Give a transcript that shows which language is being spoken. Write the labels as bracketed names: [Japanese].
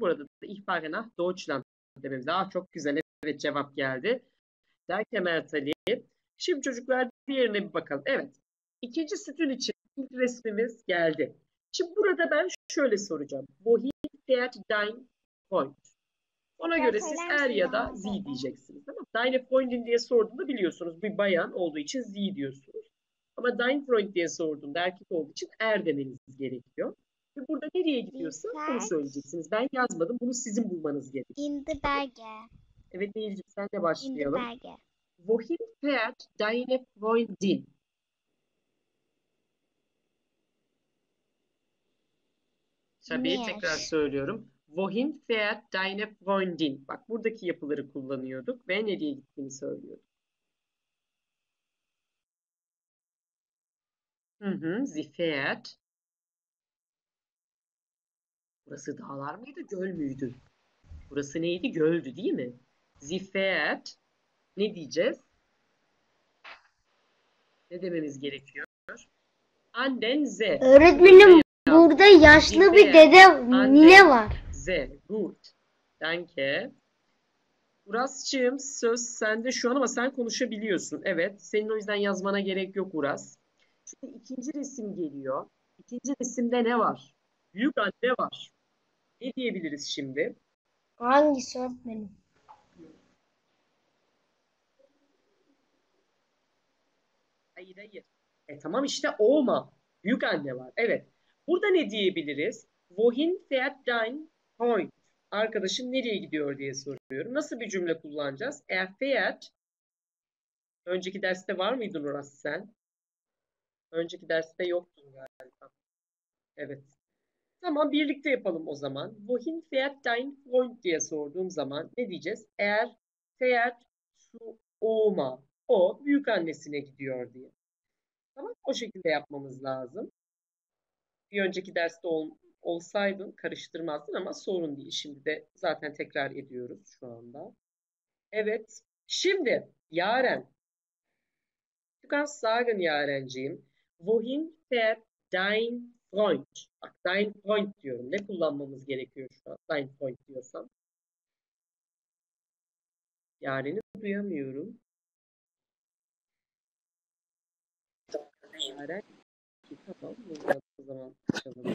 [Turkish] Burada da [German] ich fahre nach Deutschland [Turkish] dememiz. Ah çok güzel. Evet cevap geldi. Derke Mert Ali. Şimdi çocuklar diğerine bir bakalım. Evet. İkinci sütun için ilk resmimiz geldi. Şimdi burada ben şöyle soracağım. [German] Wohin fährt dein Freund? [Turkish] Ona göre siz er ya da sie diyeceksiniz. Tamam. [German] Deine Freundin [Turkish] diye sorduğunda biliyorsunuz bir bayan olduğu için sie diyorsunuz. Ama [German] dein Freund [Turkish] diye sorduğunda erkek olduğu için er demeniz gerekiyor. Ve burada nereye gidiyorsa onu söyleyeceksiniz. Ben yazmadım. Bunu sizin bulmanız gerekiyor. [German] In the Berge. [Turkish] Evet Nehir'cim sen de başlayalım. [German] In the Berge. Wohin fährt deine Freundin? [Turkish] Tabii tekrar söylüyorum. [German] Wohin fährt deine Freundin? [Turkish] Bak buradaki yapıları kullanıyorduk ve nereye gittiğini söylüyorduk. [German] Sie fährt. [Turkish] Burası dağlar mıydı, göl müydü? Burası neydi? Göldü değil mi? [German] Sie fährt. [Turkish] Ne diyeceğiz? Ne dememiz gerekiyor? [German] An den See. [Turkish] Öğretmenim, burada yaşlı bir dede nine var. [German] Sehr gut. Danke. [Turkish] Uras'cığım, söz sende şu an ama sen konuşabiliyorsun. Evet, senin o yüzden yazmana gerek yok Uras. Şimdi ikinci resim geliyor. İkinci resimde ne var? Büyük anne var. Ne diyebiliriz şimdi? Hangisi öğretmenim? Hayır, hayır. E tamam işte o mu? Büyük anne var. Evet. Burada ne diyebiliriz? [German] Wohin fährt dein Freund? [Turkish] Arkadaşım nereye gidiyor diye soruyorum. Nasıl bir cümle kullanacağız? [German] Er fährt. [Turkish] Önceki derste var mıydın Uras sen? Önceki derste yoktun galiba. Evet. Tamam, birlikte yapalım o zaman. [German] Wohin fährt dein Freund [Turkish] diye sorduğum zaman ne diyeceğiz? [German] Er fährt zu Oma. [Turkish] O büyük annesine gidiyor diye. Tamam, o şekilde yapmamız lazım. Bir önceki derste olsaydın karıştırmazdın ama sorun değil. Şimdi de zaten tekrar ediyoruz şu anda. Evet, şimdi Yaren. [German] Du kannst sagen, Yarenciğim. Wohin fährt dein Freund? [Turkish] Bak, [German] dein Freund [Turkish] diyorum. Ne kullanmamız gerekiyor şu an? [German] Dein Freund [Turkish] diyorsam. Yaren'i duyamıyorum. Yaren. Tamam, buradan o zaman açalım.